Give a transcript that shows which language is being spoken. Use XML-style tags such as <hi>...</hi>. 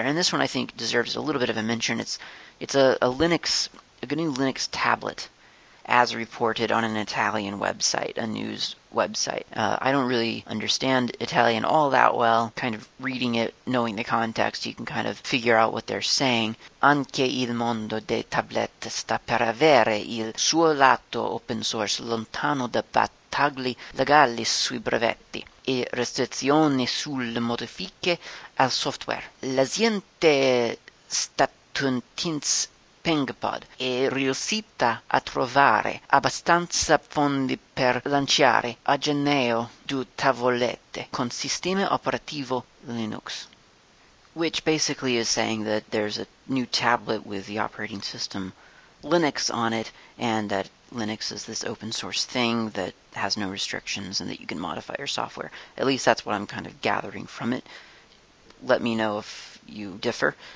<en>And this one, I think, deserves a little bit of a mention. It's a GNU Linux tablet, as reported on an Italian website, a news website. I don't really understand Italian all that well. Kind of reading it, knowing the context, you can kind of figure out what they're saying.</en> <it>Anche il mondo dei tablet sta per avere il suo lato open source lontano da battagli legali sui brevetti e restrizioni sulle modifiche al software. L'azienda statunitense PengPod è riuscita a trovare abbastanza fondi per lanciare a gennaio due tavolette con sistema operativo Linux.</it> <en>Which basically is saying that there's a new tablet with the operating system Linux on it, and that Linux is this open source thing that has no restrictions and that you can modify your software. At least that's what I'm kind of gathering from it. Let me know if you differ.</en>